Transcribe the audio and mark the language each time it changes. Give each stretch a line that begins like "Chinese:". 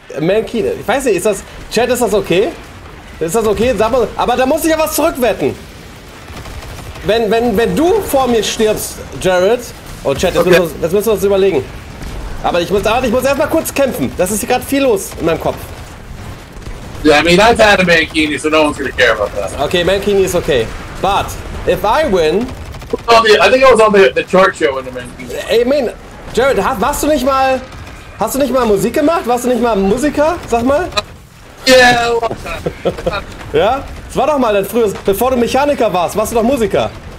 German: Mankini. Ich weiß nicht, ist das. Chat, ist das okay? Ist das okay? Sag mal, aber da muss ich ja was zurückwetten. Wenn du vor mir stirbst, Jared. Oh, Chat, jetzt müssen wir uns überlegen. Aber ich muss erstmal kurz kämpfen. Das ist hier gerade viel los in meinem Kopf.
English: Yeah, I mean, I've had a Mankini, so no one's gonna care about that. Okay, Mankini is okay. But if I win. I think I was on the chart show in the Mankini.
German: Hey, man, Jared, hast du nicht mal Musik gemacht? Warst du nicht mal Musiker? Sag mal.
English: Yeah, a long
German: time. Ja? Das war doch mal dein frühes. Bevor du Mechaniker warst, warst du doch Musiker.